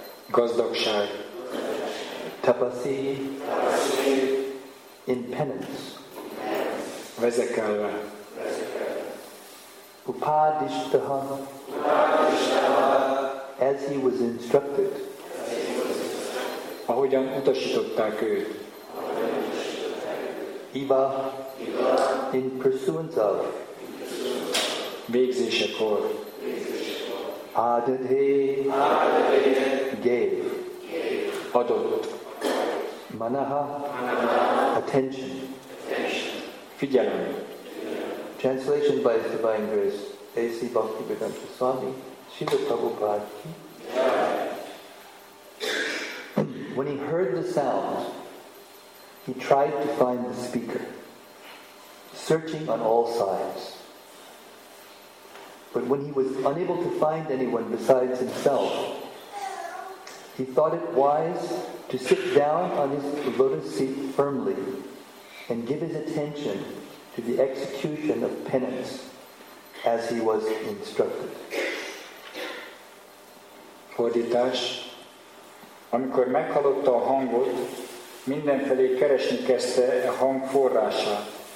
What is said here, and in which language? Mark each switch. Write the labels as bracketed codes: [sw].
[hu] gazdagság. [en] Tapasi, in penance, [hu] vezekelve. [en] Upadishtaha, as he was instructed, [hu] ahogyan utasították őt. [en] Iva, in pursuance of, [hu] végzésekor. [en] Adadhe, gave, [hu] adott. [en] Manaha, attention, [hu] figyelem. [en] Translation by His Divine Grace, A.C. Bhaktivedanta Swami, Srila Prabhupada. When he heard the sound, he tried to find the speaker, searching on all sides. But when he was unable to find anyone besides himself, he thought it wise to sit down on his lotus seat firmly and give his attention to the execution of penance as he was instructed. [hu] Fordítás. Amikor meghallotta a hangot, mindenfelé keresni kezdte a hang forrását.